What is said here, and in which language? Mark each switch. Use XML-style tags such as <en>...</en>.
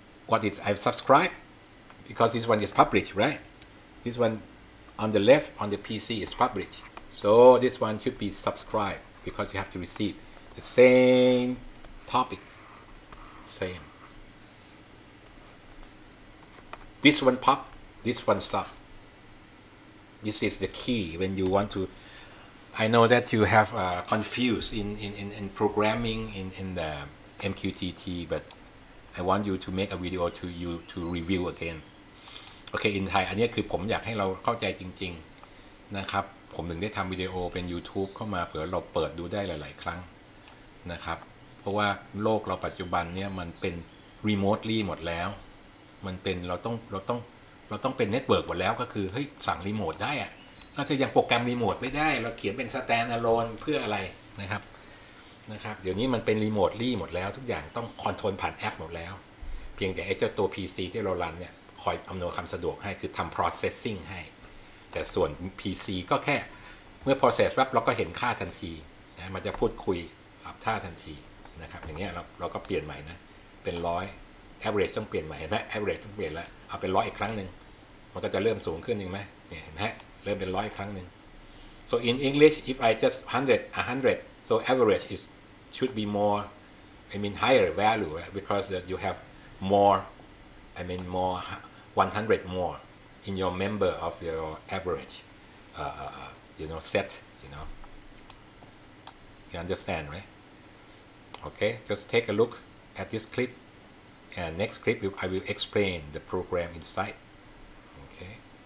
<en>what is I've subscribed because this one is published right this one on the left on the PC is published so this one should be subscribed because you have to receive the same topic same this one pop this one sub. This is the key when you want to. I know that you have confused in programming in the MQTT, but I want you to make a video to you to review again. Okay, in Thai,</en> <th>อันนี้คือผมอยากให้เราเข้าใจจริงๆนะครับผมถึงได้ทำวิดีโอเป็น YouTube เข้ามาเผื่อเราเปิดดูได้หลายๆครั้งนะครับเพราะว่าโลกเราปัจจุบันเนี่ยมันเป็น remotely หมดแล้วมันเป็นเราต้องเป็นเน็ตเวิร์กหมดแล้วก็คือเฮ้ยสั่งรีโมทได้อะเราจะยังโปรแกรมรีโมทไม่ได้เราเขียนเป็นสแตนอะโลนเพื่ออะไรนะครับ เดี๋ยวนี้มันเป็นรีโมทลี่หมดแล้วทุกอย่างต้องคอนโทรลผ่านแอปหมดแล้วเพียงแต่ไอ้เจ้าตัว PC ที่เรารันเนี่ยคอยอำนวยความสะดวกให้คือทำ processing ให้ แต่ส่วน PC ก็แค่เมื่อ process ปั๊บเราก็เห็นค่าทันทีนะมันจะพูดคุยกับท่าทันทีนะครับอย่างเงี้ยเราก็เปลี่ยนใหม่นะเป็น100 average ต้องเปลี่ยนใหม่เห็นมั้ย average ต้องเปลี่ยนแล้วเอาเป็น100อีกครั้งนึงมันก็จะเริ่มสูงขึ้นจริงมั้ยเนี่ยเห็นมั้ยเริ่มเป็น100อีกครั้งนึง</th> <en>so in English if I just 100 so average is should be more I mean higher value right? because you have more I mean more 100 more in your member of your average you know set you know you understand right okay just take a look at this clipAnd next clip, I will explain the program inside. Okay.</en>